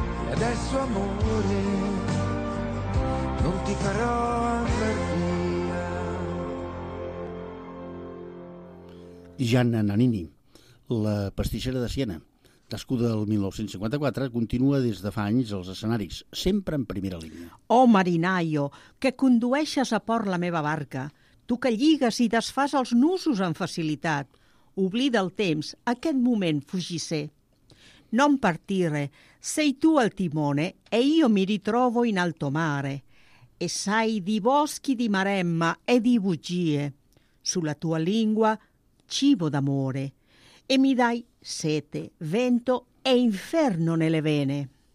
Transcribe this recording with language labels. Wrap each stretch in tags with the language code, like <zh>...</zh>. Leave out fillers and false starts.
<it>Adesso amore, non ti farò andar via.</it> <ca>Gianna Nannini, la pastissera de Siena, nascuda el 1954, continua des de fa anys als escenaris, sempre en primera línia. Oh, marinaio, que condueixes a port la meva barca, tu que lligues i desfas els nusos amb facilitat, oblida el temps, aquest moment fugisser.</ca> <it>Non partire, sei tu al timone e io mi ritrovo in alto mare. E sai di boschi di maremma e di bugie. sulla tua lingua, cibo d'amore, e mi dai sete, vento e inferno nelle vene.</it>